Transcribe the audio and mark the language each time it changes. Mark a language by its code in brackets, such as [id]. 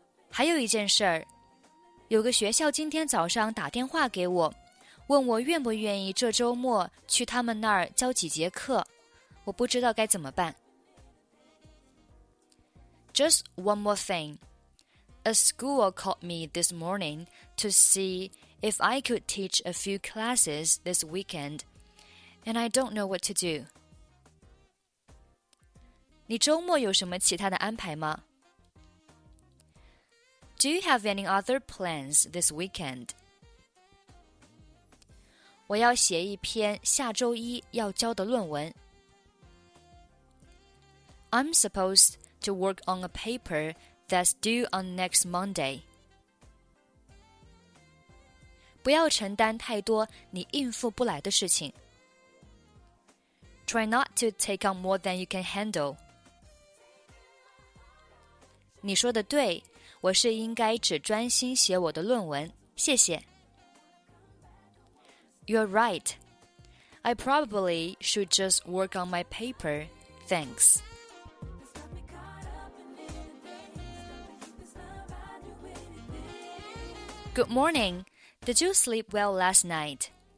[zh] 还有一件事儿，有个学校今天早上打电话给我，问我愿不愿意这周末去他们那儿教几节课，我不知道该怎么办。 [en] Just one more thing. A school called me this morning to see if I could teach a few classes this weekend, and I don't know what to do. [zh] 你周末有什么其他的安排吗？ [en] Do you have any other plans this weekend? [zh] 我要写一篇下周一要交的论文。 [en] I'm supposed to work on a paper that's due on next Monday. [zh] 不要承担太多你应付不来的事情。 [en] Try not to take on more than you can handle. [zh] 你说的对。我是应该只专心写我的论文。谢谢。 [en] You're right. I probably should just work on my paper. Thanks. Good morning. Did you sleep well last night?